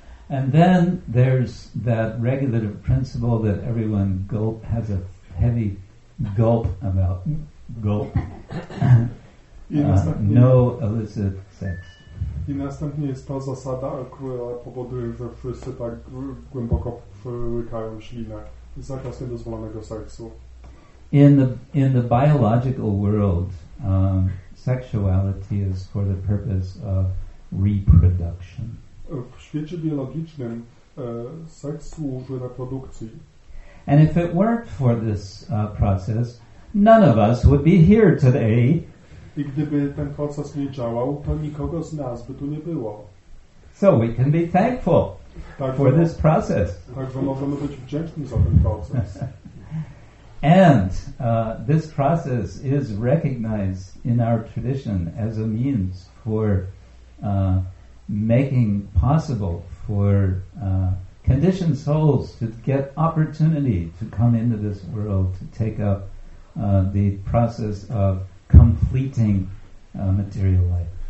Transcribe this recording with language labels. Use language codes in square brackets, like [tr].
[en] And then there's that regulative principle that everyone gulp has a heavy gulp about. Gulp. No illicit sex. [pl] I następnie jest ta zasada, która powoduje, że wszyscy tak głęboko przełykają ślinę. Zakaz niedozwolonego seksu. [en] In the biological world, sexuality is for the purpose of reproduction. [pl] W świecie biologicznym seks służy reprodukcji. [en] And if it weren't for this process, none of us would be here today. [pl] I gdyby ten proces nie działał, to nikogo z nas by tu nie było. [en] So we can be thankful for this process. [pl] Także możemy być wdzięczni za ten proces. [en] And this process is recognized in our tradition as a means for making possible for conditioned souls to get opportunity to come into this world to take up the process of completing material life.